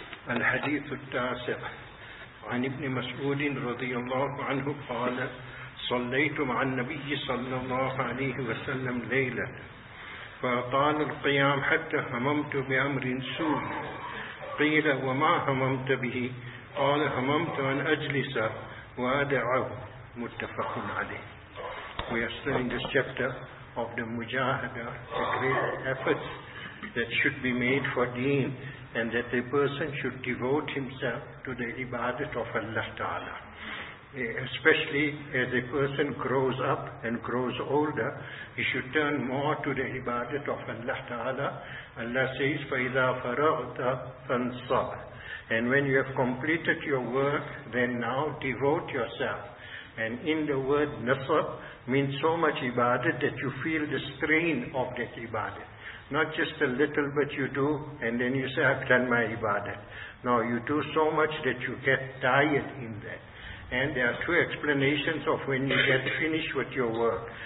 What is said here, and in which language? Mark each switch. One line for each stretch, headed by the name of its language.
Arabic: الحديث التاسع عن ابن مسعود رضي الله عنه قال: صليت مع النبي صلى الله عليه وسلم ليلة فأطال القيام حتى هممت بأمر سوء. قيل: وما هممت به؟ قال: هممت أن أجلس وأدعه. متفق عليه.
English: We are still in this chapter of the Mujahada, the great efforts that should be made for deen, and that a person should devote himself to the ibadat of Allah Ta'ala. Especially as a person grows up and grows older, he should turn more to the ibadat of Allah Ta'ala. Allah says,
Arabic: فَإِذَا فَرَغْتَ فَانْصَبْ.
English: And when you have completed your work, then now devote yourself. And in the word nasab means so much ibadat that you feel the strain of that ibadat. Not just a little bit you do and then you say, I've done my ibadat. No, you do so much that you get tired in that. And there are two explanations of when you get finished with your work.